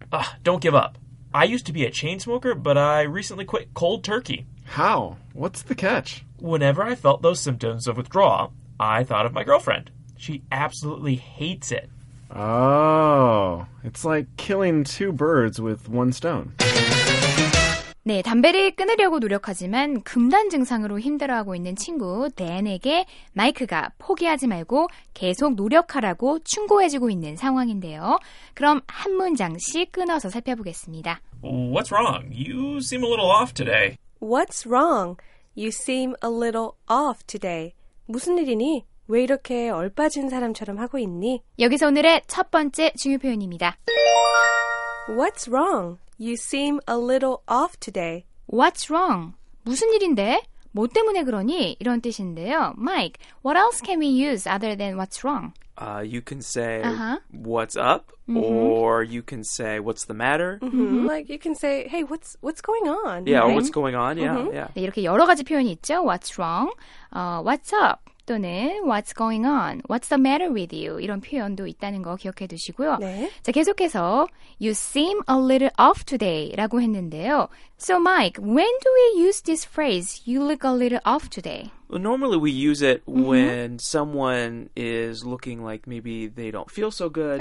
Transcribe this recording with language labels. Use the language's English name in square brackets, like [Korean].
[English] Ugh, don't give up. I used to be a chain smoker, but I recently quit cold turkey. How? What's the catch? Whenever I felt those symptoms of withdrawal, I thought of my girlfriend. She absolutely hates it. Oh, it's like killing two birds with one stone. [Korean] 네, 담배를 끊으려고 노력하지만 금단 증상으로 힘들어하고 있는 친구 댄에게 마이크가 포기하지 말고 계속 노력하라고 충고해주고 있는 상황인데요. 그럼 한 문장씩 끊어서 살펴보겠습니다. [English] What's wrong? You seem a little off today. What's wrong? You seem a little off today. [Korean] 무슨 일이니? 왜 이렇게 얼빠진 사람처럼 하고 있니? 여기서 오늘의 첫 번째 중요 표현입니다. [English] What's wrong? You seem a little off today. What's wrong? [Korean] 무슨 일인데? 뭐 때문에 그러니? 이런 뜻인데요. [English] Mike, what else can we use other than what's wrong? You can say what's up, mm-hmm. or you can say what's the matter. Mm-hmm. Like you can say, hey, what's going on? Yeah, mm-hmm. or what's going on? Yeah, mm-hmm. yeah. [Korean] 네, 이렇게 여러 가지 표현이 있죠. [English] What's wrong? What's up? 또는 what's going on? What's the matter with you? [Korean] 이런 표현도 있다는 거 기억해 두시고요. 네. 자, 계속해서 [English] you seem a little off today [Korean] 라고 했는데요. [English] So Mike, when do we use this phrase, you look a little off today? Well, normally we use it mm-hmm. when someone is looking like maybe they don't feel so good